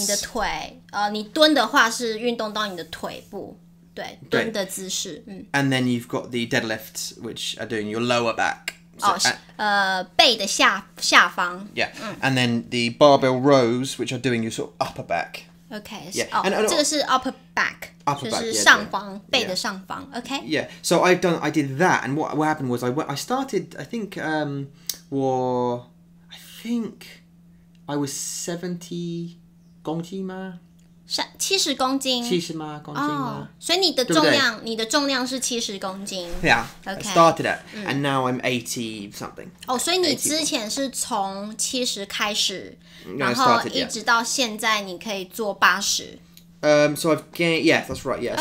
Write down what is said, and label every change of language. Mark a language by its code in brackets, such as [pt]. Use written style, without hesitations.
[zh] 你的腿，你蹲的话是运动到你的腿部，对，蹲的姿势， [en] And then you've got the deadlifts which are doing your lower back， [zh] 背的下方 [en] ，yeah，And then the barbell rows which are doing your sort of upper back。 Okay, yeah. So, and [zh] 这个是 [en] upper back, upper [zh] 就是 [en] back, [zh] 上方 [en] yeah, [zh] 背的上方 [en] okay? Yeah, so I did that, and what happened was I started, I think, I think I was [zh] 70 gongjin ma? 70公斤 [en] 70 [zh] ma, gongjin ma? 所以你的重量你的重量是70公斤 [en] Yeah, okay. I started it, and now I'm 80 something. Oh, [zh] 所以你之前是从70开始 [en] No, [zh] 然后一直到现在你可以做八十。 [en] So I've gained, yeah, that's right, yes.